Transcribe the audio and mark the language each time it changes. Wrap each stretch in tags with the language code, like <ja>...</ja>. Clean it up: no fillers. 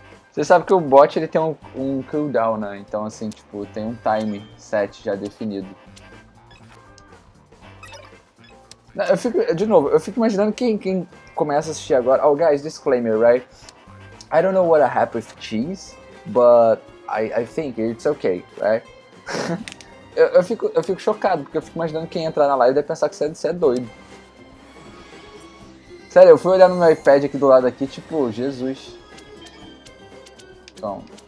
<pt>Você sabe que o bot, ele tem um cooldown, né? Então, assim, tipo, tem um time set já definido. Eu fico, de novo, eu fico imaginando quem começa a assistir agora.</pt> <en>Oh, guys, disclaimer, right? I don't know what happened with cheese, but I think it's okay, right?</en> <pt>eu fico chocado, porque eu fico imaginando quem entrar na live deve pensar que você é doido. Sério, eu fui olhar no meu iPad aqui do lado aqui, tipo, Jesus. Bom.</pt>